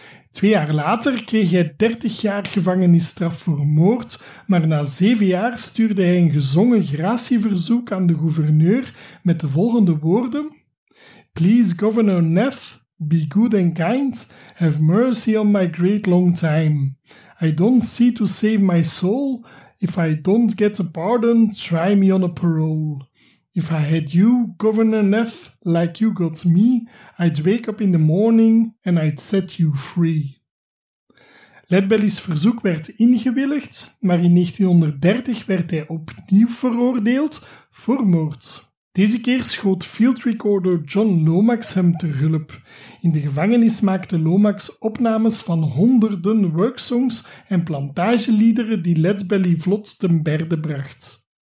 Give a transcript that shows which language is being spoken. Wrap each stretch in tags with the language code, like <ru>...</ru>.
<nl>2 jaar later kreeg hij 30 jaar gevangenisstraf voor moord, maar na 7 jaar stuurde hij een gezongen gratieverzoek aan de gouverneur met de volgende woorden:</nl> <en>"Please, Governor Neff, be good and kind, have mercy on my great long time. I don't see to save my soul. If I don't get a pardon, try me on a parole. If I had you, Governor Neff, like you got me, I'd wake up in the morning and I'd set you free."</en> <nl>Leadbelly's verzoek werd ingewilligd, maar in 1930 werd hij opnieuw veroordeeld voor moord. Deze keer schoot field recorder John Lomax hem ter hulp. In de gevangenis maakte Lomax opnames van honderden worksongs en plantageliederen die Leadbelly vlot ten berde bracht.</nl>